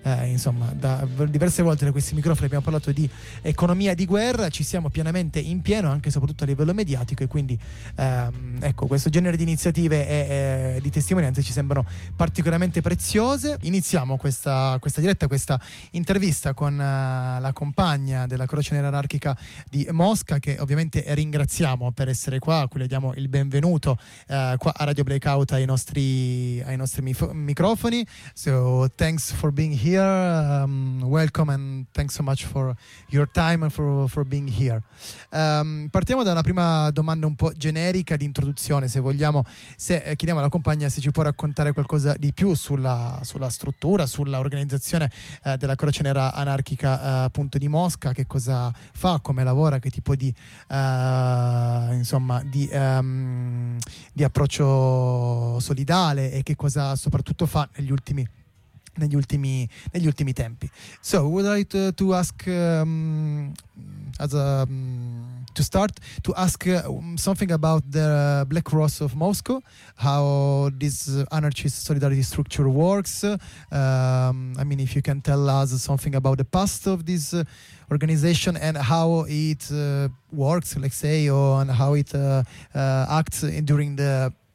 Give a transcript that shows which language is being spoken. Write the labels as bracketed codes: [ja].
[it] insomma da diverse volte da questi microfoni abbiamo parlato di economia di guerra, ci siamo pienamente in pieno anche e soprattutto a livello mediatico, e quindi ecco, questo genere di iniziative e di testimonianze ci sembrano particolarmente preziose. Iniziamo questa diretta, questa intervista con la compagna della Croce Nera Anarchica di Mosca, che ovviamente ringraziamo per essere qua, a cui le diamo il benvenuto qua a Radio Blackout, ai nostri microfoni. [en] So thanks for being here, welcome, and thanks so much for your time and for being here. [it] Partiamo da una prima domanda un po' generica di introduzione, se vogliamo, chiediamo alla compagna se ci può raccontare qualcosa di più sulla struttura, sulla organizzazione della Croce Nera Anarchica appunto di Mosca, che cosa fa, come lavora, che tipo di di approccio solidale, e che cosa soprattutto fa negli ultimi tempi. [en] So I would like to ask something about the Black Cross of Moscow, how this anarchist solidarity structure works. I mean, if you can tell us something about the past of this organization and how it works, let's say, or and how it acts during the